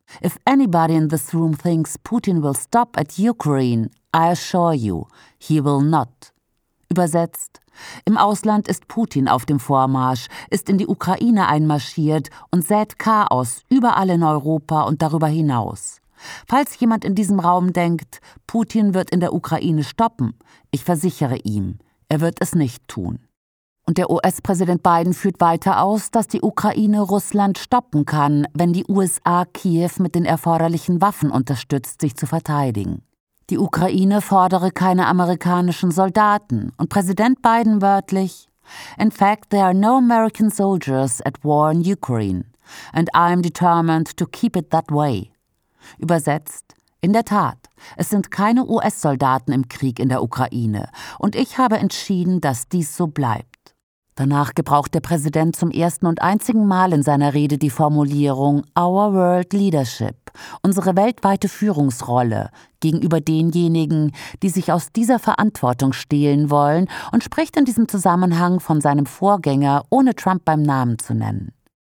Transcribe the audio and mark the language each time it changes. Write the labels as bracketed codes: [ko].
[en] If anybody in this room thinks Putin will stop at Ukraine, I assure you, he will not. [de] Übersetzt: Im Ausland ist Putin auf dem Vormarsch, ist in die Ukraine einmarschiert und sät Chaos überall in Europa und darüber hinaus. Falls jemand in diesem Raum denkt, Putin wird in der Ukraine stoppen, ich versichere ihm, er wird es nicht tun. Und der US-Präsident Biden führt weiter aus, dass die Ukraine Russland stoppen kann, wenn die USA Kiew mit den erforderlichen Waffen unterstützt, sich zu verteidigen. Die Ukraine fordere keine amerikanischen Soldaten. Und Präsident Biden wörtlich: [en] In fact, there are no American soldiers at war in Ukraine. And I am determined to keep it that way. [de] Übersetzt: In der Tat, es sind keine US-Soldaten im Krieg in der Ukraine. Und ich habe entschieden, dass dies so bleibt. Danach gebraucht der Präsident zum ersten und einzigen Mal in seiner Rede die Formulierung Our World Leadership, unsere weltweite Führungsrolle, gegenüber denjenigen, die sich aus dieser Verantwortung stehlen wollen, und spricht in diesem Zusammenhang von seinem Vorgänger, ohne Trump beim Namen zu nennen.